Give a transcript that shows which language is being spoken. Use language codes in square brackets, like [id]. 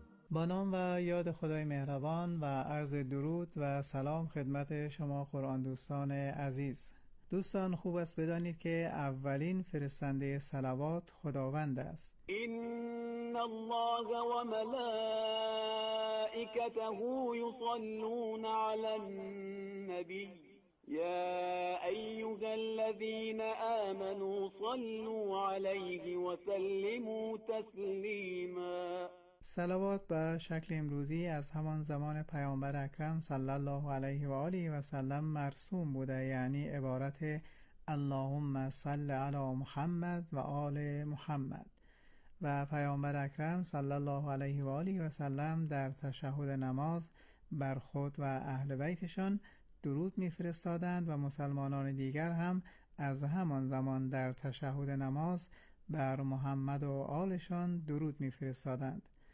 [fa] با نام و یاد خدای مهربان و عرض درود و سلام خدمت شما قرآن دوستان عزیز. دوستان، خوب است بدانید که اولین فرستنده صلوات خداوند است. [ar] إن الله وملائكته يصلون على النبي يا أيها الذين آمنوا صلوا عليه وسلموا تسليما. [fa] صلوات بر شکل امروزی از همان زمان پیامبر اکرم صلی الله علیه و آله و سلم مرسوم بوده، یعنی عبارت [ar] اللهم صل علی محمد و آل محمد. [fa] و پیامبر اکرم صلی الله علیه و آله و سلم در تشهد نماز بر خود و اهل بیتشان درود می‌فرستادند و مسلمانان دیگر هم از همان زمان در تشهد نماز بر محمد و آلشان درود می‌فرستادند.